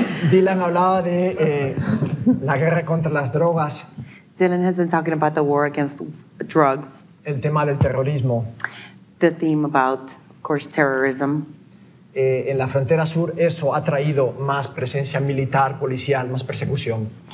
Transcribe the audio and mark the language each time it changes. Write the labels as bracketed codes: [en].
[es] Dylan hablaba de la guerra contra las drogas. [en] Dylan has been talking about the war against drugs. [es] El tema del terrorismo. [en] The theme about, of course, terrorism. [es] En la frontera sur, eso ha traído más presencia militar, policial, más persecución.